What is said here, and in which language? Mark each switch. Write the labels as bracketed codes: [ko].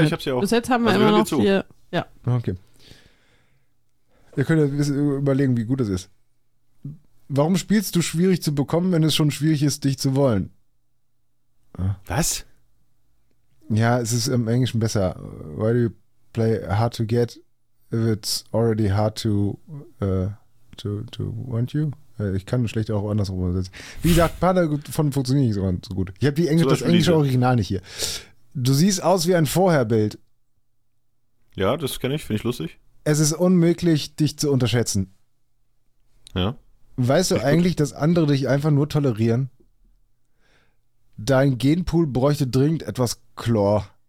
[de] Nee, ich hab's ja auch. Bis jetzt haben wir immer noch hier. Ja. Okay. Ihr könnt ja überlegen, wie gut das ist. Warum spielst du schwierig zu bekommen, wenn es schon schwierig ist, dich zu wollen? Was? Ja, es ist im Englischen besser. [en] Why do you play hard to get if it's already hard to want you? [de] Ich kann schlecht auch andersrum übersetzen. Wie gesagt, ein paar davon funktioniert nicht so gut. Ich habe die Englisch, das englische Original nicht hier. Du siehst aus wie ein Vorherbild. Ja, das kenne ich, finde ich lustig. Es ist unmöglich, dich zu unterschätzen. Ja. Weißt du eigentlich, dass andere dich einfach nur tolerieren? Dein Genpool bräuchte dringend etwas Chlor.